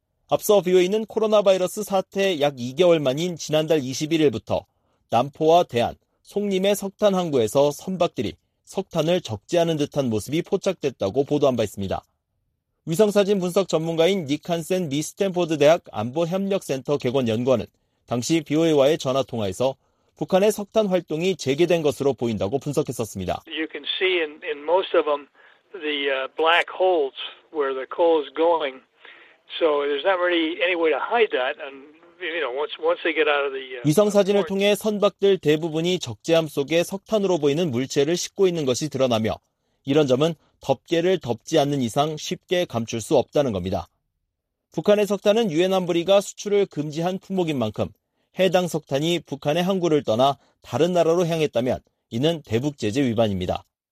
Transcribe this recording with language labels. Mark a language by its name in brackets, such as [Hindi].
[Korean] 앞서 VOA는 코로나 바이러스 사태 약 2개월 만인 지난달 21일부터 남포와 대한, 송림의 석탄 항구에서 선박들이 석탄을 적지 않은 듯한 모습이 포착됐다고 보도한 바 있습니다. 위성사진 분석 전문가인 닉 한센 미 스탠포드 대학 안보협력센터 객원 연구원은 당시 VOA와의 전화 통화에서 북한의 석탄 활동이 재개된 것으로 보인다고 분석했었습니다. [English] You can see in most of them the black holes where the coal is going. So there's not really any way to hide that. And you know, once they get out of the [Korean] 위성 사진을 통해 선박들 대부분이 적재함 속에 석탄으로 보이는 물체를 싣고 있는 것이 드러나며 이런 점은 덮개를 덮지 않는 이상 쉽게 감출 수 없다는 겁니다. 북한의 석탄은 유엔 안보리가 수출을 금지한 품목인 만큼 해당 석탄이 북한의 항구를 떠나 다른 나라로 향했다면 이는 대북 제재 위반입니다.